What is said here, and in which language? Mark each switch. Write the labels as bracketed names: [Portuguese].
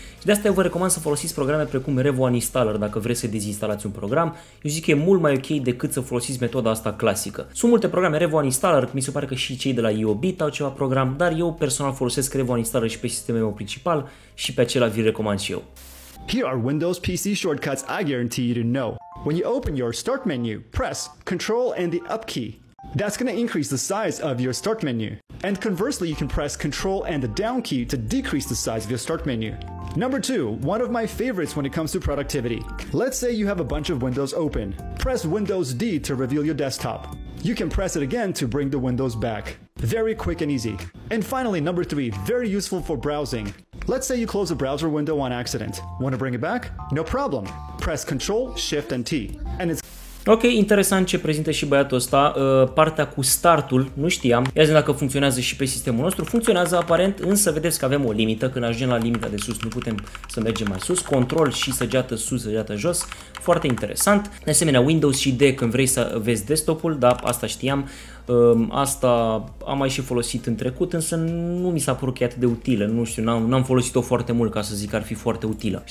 [Romanian] De asta eu vă recomand să folosiți programe precum Revo Uninstaller dacă vreți să dezinstalați un program. Eu zic că e mult mai ok decât să folosiți metoda asta clasică. Sunt multe programe, Revo Uninstaller, mi se pare că și cei de la Yobit au ceva program, dar eu personal folosesc Revo Uninstaller și pe sistemul meu principal și pe acela vi-l recomand și eu. [English] Here are Windows PC shortcuts I guarantee you to know. When you open your start menu, press Control and the Up key. That's going to increase the size of your start menu. And conversely, you can press Control and the down key to decrease the size of your start menu. Number two, one of my favorites when it comes to productivity. Let's say you have a bunch of windows open. Press Windows D to reveal your desktop. You can press it again to bring the windows back. Very quick and easy. And finally, number three, very useful for browsing. Let's say you close a browser window on accident. Want to bring it back? No problem. Press Control, Shift and T. And it's... [Romanian] Ok, interesant ce prezintă și băiatul ăsta, partea cu startul, nu știam, ia zi dacă funcționează și pe sistemul nostru, funcționează aparent, însă vedeți că avem o limită, când ajungem la limita de sus nu putem să mergem mai sus, control și săgeată sus, săgeată jos, foarte interesant, de asemenea Windows și D când vrei să vezi desktopul, da, asta știam, asta am mai și folosit în trecut, însă nu mi s-a părut chiar atât de utilă, nu știu, n-am folosit-o foarte mult ca să zic că ar fi foarte utilă.